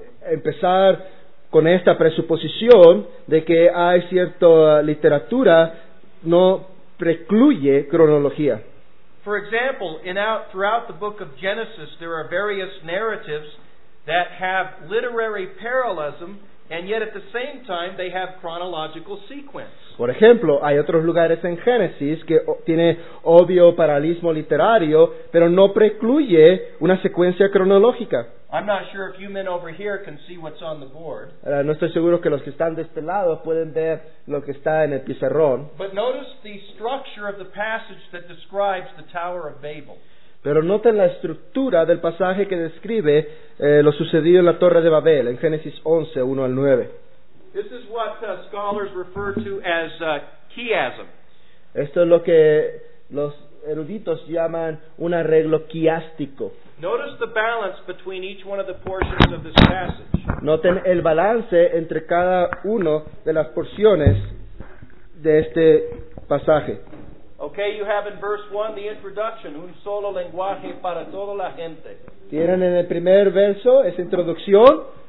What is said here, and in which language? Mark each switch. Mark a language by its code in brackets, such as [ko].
[es] Empezar con esta presuposición de que hay cierta literatura no precluye cronología. [en] For example, throughout the book of Genesis, there are various narratives that have literary parallelism, and yet at the same time they have chronological sequence. [es] Por ejemplo, hay otros lugares en Génesis que tiene obvio paralelismo literario, pero no precluye una secuencia cronológica. [en] I'm not sure if you men over here can see what's on the board. [es] No estoy seguro que los que están de este lado pueden ver lo que está en el pizarrón. [en] But notice the structure of the passage that describes the Tower of Babel. [es] Pero noten la estructura del pasaje que describe lo sucedido en la Torre de Babel, en Génesis 11, 1 al 9. [en] This is what scholars refer to as chiasm. [es] Esto es lo que los eruditos llaman un arreglo quiástico. [en] Notice the balance between each one of the portions of this passage. [es] Noten el balance entre cada uno de las porciones de este pasaje. [en] Okay, you have in verse 1 the introduction, [es] un solo lenguaje para toda la gente. Tienen en el primer verso esa introducción.